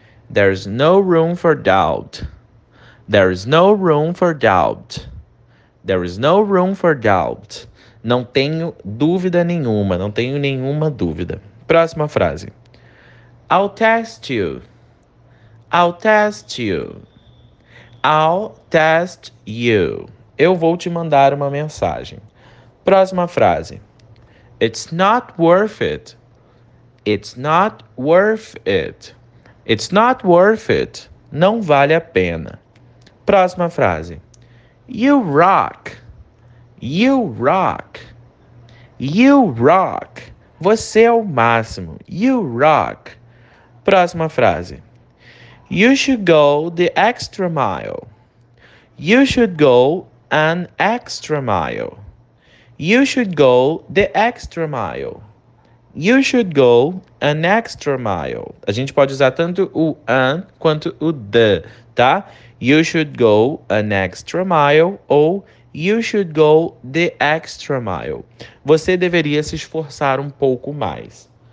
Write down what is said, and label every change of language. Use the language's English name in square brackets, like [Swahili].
[English] There's no room for doubt. There's no room for doubt. There is no room for doubt. [Portuguese] Não tenho dúvida nenhuma. Não tenho nenhuma dúvida. Próxima frase. [English] I'll test you. I'll test you. I'll test you. [Portuguese] Eu vou te mandar uma mensagem. Próxima frase. [English] It's not worth it. It's not worth it. It's not worth it. [Portuguese] Não vale a pena. Próxima frase. [English] You rock. You rock. You rock. [Portuguese] Você é o máximo. [English] You rock. [Portuguese] Próxima frase. [English] You should go the extra mile. You should go an extra mile. You should go the extra mile. You should go an extra mile. [Portuguese] A gente pode usar tanto o an quanto o the, tá? [English] You should go an extra mile ou you should go the extra mile. [Portuguese] Você deveria se esforçar um pouco mais.